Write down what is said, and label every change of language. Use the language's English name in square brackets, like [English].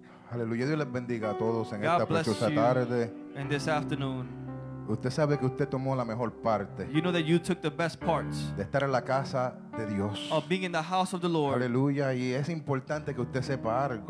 [Spanish] Aleluya, Dios les bendiga a todos en esta preciosa tarde. [English] In this afternoon. [Spanish] Usted sabe que usted tomó la mejor parte. [English] You know that you took the best part. [Spanish] De estar en la casa de Dios. [English] Of being in the house of the Lord. [Spanish] Aleluya, y es importante que usted sepa algo.